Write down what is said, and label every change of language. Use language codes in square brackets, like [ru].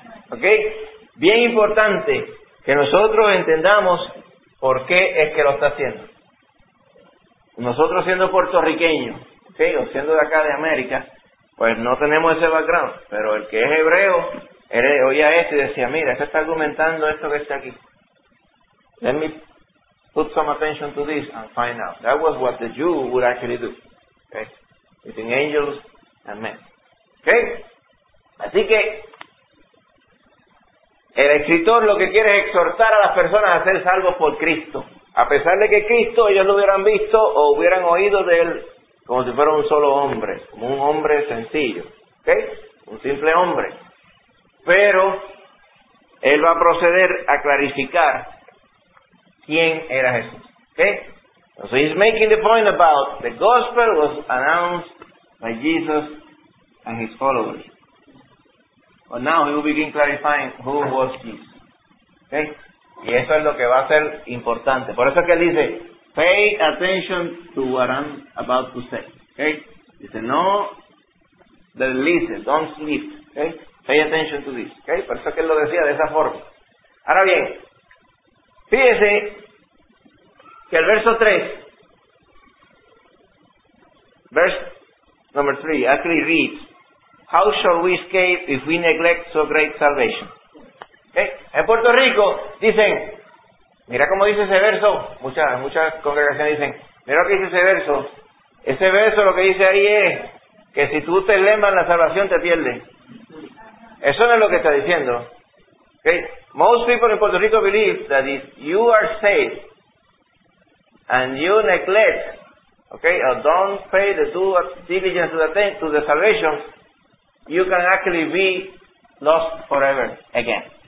[es] Ok, bien importante que nosotros entendamos por qué es que lo está haciendo. Nosotros siendo puertorriqueños, okay, o siendo de acá de América, pues no tenemos ese background, pero el que es hebreo oía esto y decía, mira, este está argumentando esto que está aquí. [en] Let me put some attention to this and find out. That was what the Jew would actually do. Okay? Between angels and men. Okay? [es] Así que el escritor lo que quiere es exhortar a las personas a ser salvos por Cristo. A pesar de que Cristo ellos lo hubieran visto o hubieran oído de él como si fuera un solo hombre, como un hombre sencillo, ¿okay? Un simple hombre. Pero él va a proceder a clarificar quién era Jesús. ¿Okay? [en] So he's making the point about the gospel was announced by Jesus and his followers. But now he will begin clarifying who was Jesus. Okay? [es] Y eso es lo que va a ser importante. Por eso es que él dice, [en] pay attention to what I'm about to say. Okay? [es] Dice, no deslice, [en] don't sleep. Okay? Pay attention to this. Okay? [es] Por eso es que él lo decía de esa forma. Ahora bien, fíjese que el verso 3, [en] verse 3, actually reads, how shall we escape if we neglect so great salvation? Okay. [es] En Puerto Rico dicen, mira cómo dice ese verso, muchas congregaciones dicen, mira lo que dice ese verso. Ese verso lo que dice ahí es que si tú te lemas la salvación te pierdes. Eso no es lo que está diciendo. Okay. [en] Most people in Puerto Rico believe that if you are saved and you neglect, okay, or don't pay the due diligence to the salvation, you can actually be lost forever again.